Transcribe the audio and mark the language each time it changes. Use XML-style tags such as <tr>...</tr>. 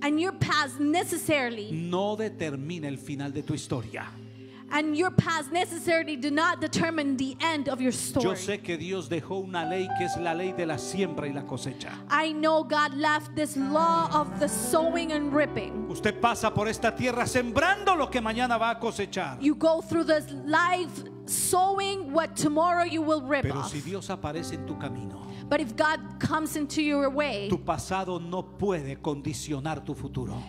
<en>and your past necessarily,</en> <es>no determina el final de tu historia.</es> <en>And your past necessarily do not determine the end of your story.</en> <es>Yo sé que Dios dejó una ley que es la ley de la siembra y la cosecha.</es> <en>I know God left this law of the sowing and reaping.</en> <es>Usted pasa por esta tierra sembrando lo que mañana va a cosechar.</es> <en>You go through this life sowing what tomorrow you will reap.</en> <es>Pero si Dios aparece en tu camino.</es> <en>But if God comes into your way,</en> <es>tu pasado no puede condicionar tu futuro.</es>